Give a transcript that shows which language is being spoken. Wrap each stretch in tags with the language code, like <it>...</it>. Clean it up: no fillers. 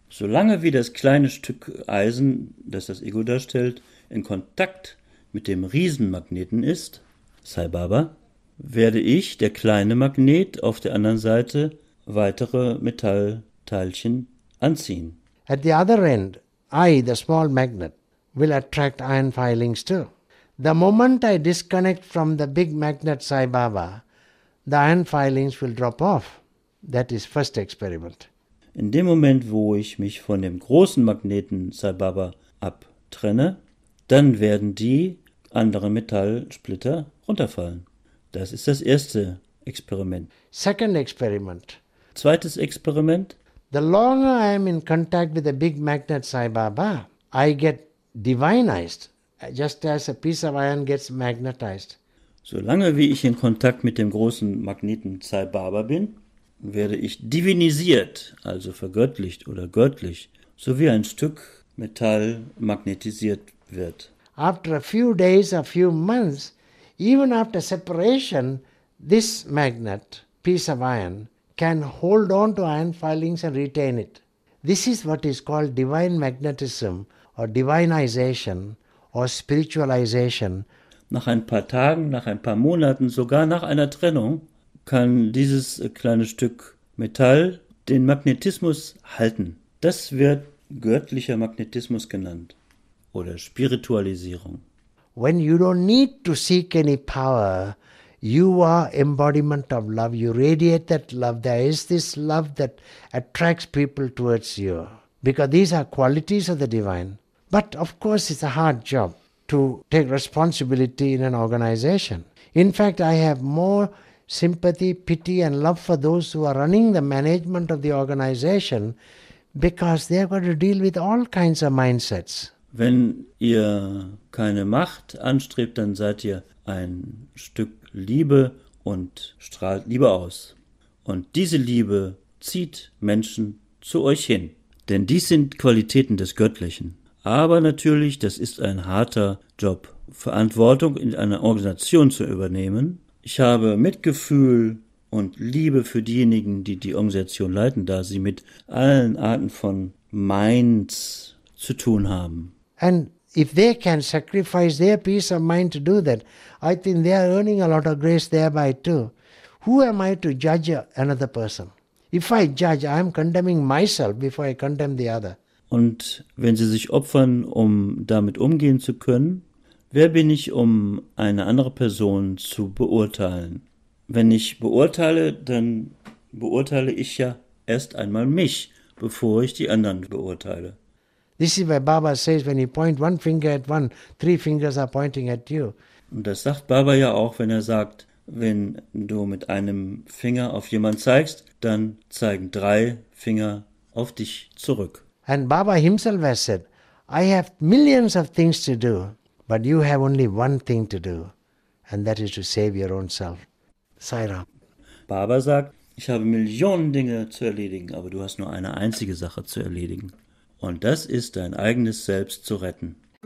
<de>Solange wie das kleine Stück Eisen, das das Ego darstellt, in Kontakt mit dem Riesenmagneten ist, Sai Baba, werde ich, der kleine Magnet, auf der anderen Seite weitere Metallteilchen anziehen.</de> <en>At the other end, I, the small magnet, will attract iron filings too. The moment I disconnect from the big magnet Sai Baba, the iron filings will drop off. That is first experiment.</en> <de>In dem Moment, wo ich mich von dem großen Magneten Sai Baba abtrenne, dann werden die anderen Metallsplitter runterfallen. Das ist das erste Experiment.</de> <en>Second experiment.</en> <de>Zweites Experiment.</de> <en>The longer I am in contact with the big magnet Sai Baba, I get divinized, just as a piece of iron gets magnetized.</en> <de>Solange wie ich in Kontakt mit dem großen Magneten Sai Baba bin, werde ich divinisiert, also vergöttlicht oder göttlich, so wie ein Stück Metall magnetisiert wird.</de> <en>After a few days, a few months, even after separation, this magnet, piece of iron, can hold on to iron filings and retain it. This is what is called divine magnetism or divinization or spiritualization.</en> <de>Nach ein paar Tagen, nach ein paar Monaten, sogar nach einer Trennung, kann dieses kleine Stück Metall den Magnetismus halten. Das wird göttlicher Magnetismus genannt oder Spiritualisierung.</de> <en>When you don't need to seek any power, you are embodiment of love. You radiate that love. There is this love that attracts people towards you. Because these are qualities of the divine. But of course it's a hard job to take responsibility in an organization. In fact, I have more sympathy, pity and love for those who are running the management of the organization because they are going to deal with all kinds of mindsets.</en> <de>Wenn ihr keine Macht anstrebt, dann seid ihr ein Stück Liebe und strahlt Liebe aus. Und diese Liebe zieht Menschen zu euch hin. Denn dies sind Qualitäten des Göttlichen. Aber natürlich, das ist ein harter Job, Verantwortung in einer Organisation zu übernehmen. Ich habe Mitgefühl und Liebe für diejenigen, die die Organisation leiten, da sie mit allen Arten von Minds zu tun haben.</de> <en>And if they can sacrifice their peace of mind to do that, I think they are earning a lot of grace thereby too. Who am I to judge another person? If I judge, I am condemning myself before I condemn the other.</en> <de>Und wenn sie sich opfern, um damit umgehen zu können, wer bin ich, um eine andere Person zu beurteilen? Wenn ich beurteile, dann beurteile ich ja erst einmal mich, bevor ich die anderen beurteile.</de> <en>This is why Baba says, when you point one finger at one, three fingers are pointing at you.</en> <de>Und das sagt Baba ja auch, wenn er sagt, wenn du mit einem Finger auf jemanden zeigst, dann zeigen drei Finger auf dich zurück.</de> <en>And Baba himself has said, I have millions of things to do, but you have only one thing to do, and that is to save your own self. Sai Ram.</en> <de>Baba sagt, ich habe Millionen Dinge zu erledigen, aber du hast nur eine einzige Sache zu erledigen. Und das ist dein eigenes Selbst zu retten.</de>